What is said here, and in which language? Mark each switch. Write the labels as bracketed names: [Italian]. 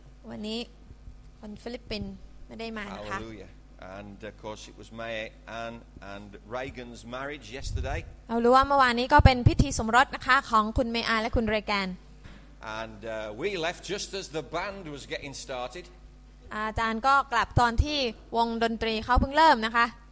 [Thai] วันนี้คนฟิลิปปินส์ไม่ได้มานะคะ [English] Hallelujah. And of course, it was May Ann and Reagan's marriage yesterday. [Thai] เอารู้ว่าเมื่อวานนี้ก็เป็นพิธีสมรสนะคะของคุณเมย์อานและคุณเรแกน [English] And we left just as the band was getting started. [Thai] อาจารย์ก็กลับตอนที่วงดนตรีเขาเพิ่งเริ่มนะคะ